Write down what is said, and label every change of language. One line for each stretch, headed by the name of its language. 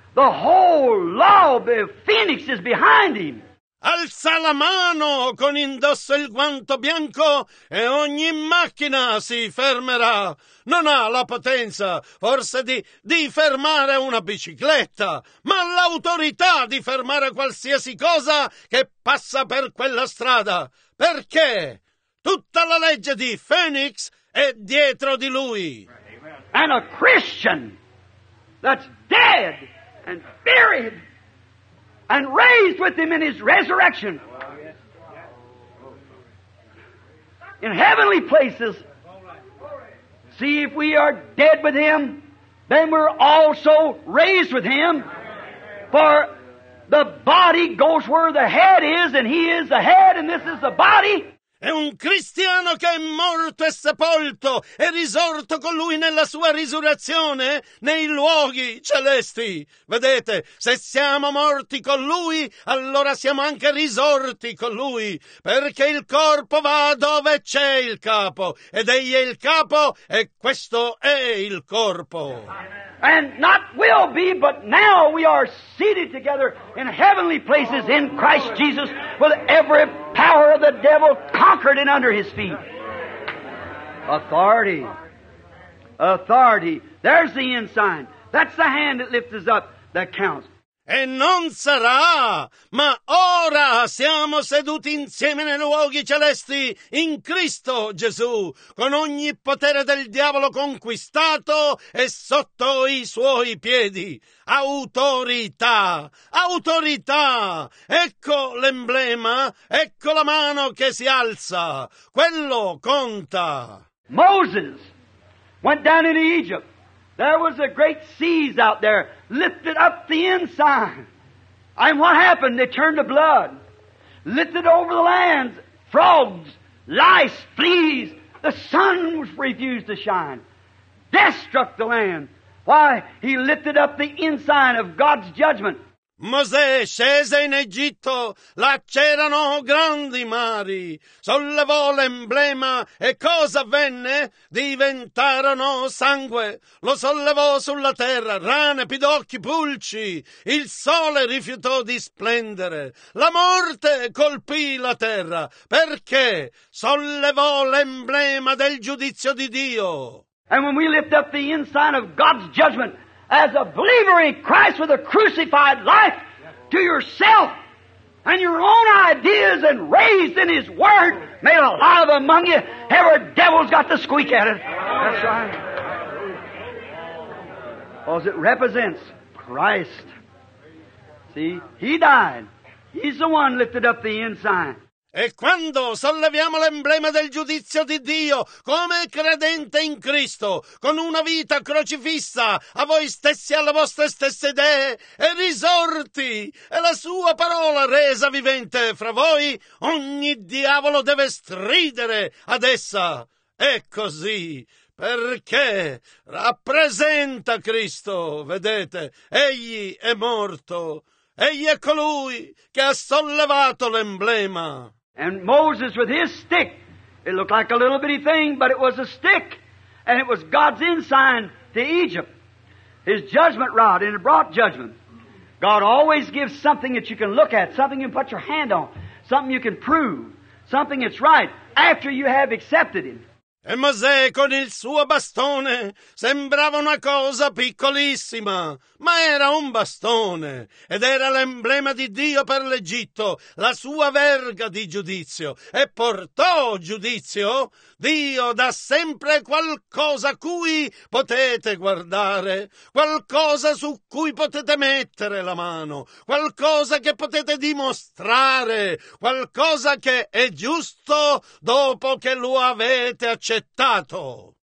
English: The whole law of Phoenix is behind him.
Italian: Alza la mano con indosso il guanto bianco e ogni macchina si fermerà. Non ha la potenza, forse, di fermare una bicicletta, ma l'autorità di fermare qualsiasi cosa che passa per quella strada. Perché tutta la legge di Phoenix è dietro di lui.
English: And a Christian that's dead and buried and raised with him in his resurrection in heavenly places. See, if we are dead with him, then we're also raised with him. For the body goes where the head is, and he is the head, and this is the body.
Italian: È un cristiano che è morto e sepolto e risorto con lui nella sua risurrezione nei luoghi celesti. Vedete, se siamo morti con lui, allora siamo anche risorti con lui, perché il corpo va dove c'è il capo, ed egli è il capo e questo è il corpo.
English: And not will be, but now we are seated together in heavenly places in Christ Jesus with every power of the devil conquered and under his feet. Authority. Authority. There's the ensign. That's the hand that lifts up that counts.
Italian: E non sarà, ma ora siamo seduti insieme nei luoghi celesti in Cristo Gesù, con ogni potere del diavolo conquistato e sotto i suoi piedi. Autorità, autorità, ecco l'emblema, ecco la mano che si alza, quello conta.
English: Moses went down into Egypt. There was a great seas out there, lifted up the ensign. And what happened? They turned to blood. Lifted over the lands, frogs, lice, fleas. The sun refused to shine. Death struck the land. Why, he lifted up the ensign of God's judgment.
Italian: Mosè scese in Egitto, là c'erano grandi mari. Sollevò l'emblema e cosa avvenne? Diventarono sangue. Lo sollevò sulla terra, rane, pidocchi, pulci. Il sole rifiutò di splendere. La morte colpì la terra perché sollevò l'emblema del giudizio di Dio.
English: And when we lift up the ensign of God's judgment, as a believer in Christ with a crucified life to yourself and your own ideas and raised in His Word, made alive among you, every devil's got to squeak at it. That's right. Because it represents Christ. See, He died. He's the one lifted up the ensign.
Italian: E quando solleviamo l'emblema del giudizio di Dio come credente in Cristo, con una vita crocifissa a voi stessi e alle vostre stesse idee, e risorti, e la sua parola resa vivente fra voi, ogni diavolo deve stridere ad essa. È così, perché rappresenta Cristo, vedete, egli è morto, egli è colui che ha sollevato l'emblema.
English: And Moses with his stick, it looked like a little bitty thing, but it was a stick, and it was God's ensign to Egypt, his judgment rod, and it brought judgment. God always gives something that you can look at, something you can put your hand on, something you can prove, something that's right, after you have accepted Him.
Italian: E Mosè con il suo bastone sembrava una cosa piccolissima, ma era un bastone ed era l'emblema di Dio per l'Egitto, la sua verga di giudizio. E portò giudizio? Dio dà sempre qualcosa a cui potete guardare, qualcosa su cui potete mettere la mano, qualcosa che potete dimostrare, qualcosa che è giusto dopo che lo avete accettato.